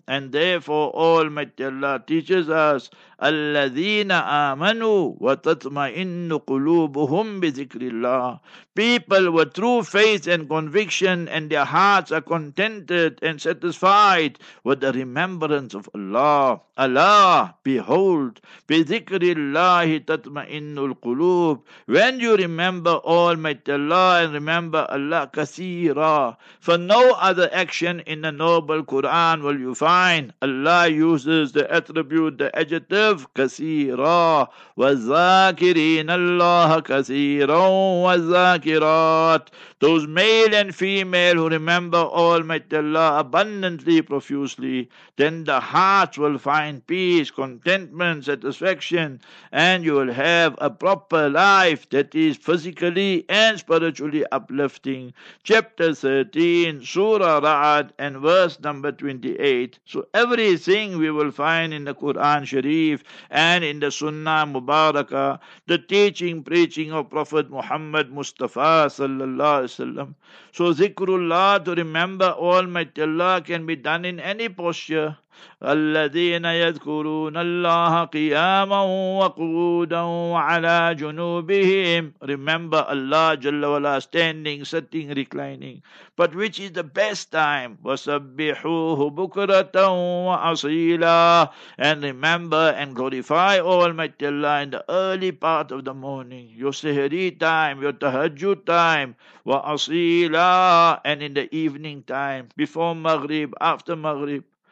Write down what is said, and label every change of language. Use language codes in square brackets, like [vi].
[en] And therefore Almighty Allah teaches us, [ar] الَّذِينَ آمَنُوا وَتَطْمَئِنُّ قُلُوبُهُمْ بِذِكْرِ اللَّهِ. [en] People with true faith and conviction, and their hearts are contented and satisfied with the remembrance of Allah. Allah, behold, [ar] بِذِكْرِ اللَّهِ تَطْمَئِنُّ الْقُلُوبُ. [en] When you remember Almighty Allah and remember Allah كَثِيرًا, for no other action in the noble Quran will you find Allah uses the attribute, the adjective, [ar] كثيرا والذاكرين الله كثيرا والذاكرات. [en] Those male and female who remember Almighty Allah abundantly, profusely, then the hearts will find peace, contentment, satisfaction, and you will have a proper life that is physically and spiritually uplifting. Chapter 13, Surah Ra'ad, and verse number 28. So everything we will find in the Quran Sharif and in the Sunnah Mubarakah, the teaching, preaching of Prophet Muhammad Mustafa Sallallahu Alaihi Wasallam. So zikrullah, to remember Almighty Allah, can be done in any posture. [ar] الذين يذكرون الله قياما وقعودا وعلى جنوبهم. [en] Remember Allah Jalla Wala standing, sitting, reclining. But which is the best time? [ar] وسبحوه بكرة وأصيلا. [en] And remember and glorify Almighty Allah in the early part of the morning, your sihri time, your tahajjud time, وأصيلا, and in the evening time, before Maghrib, after Maghrib.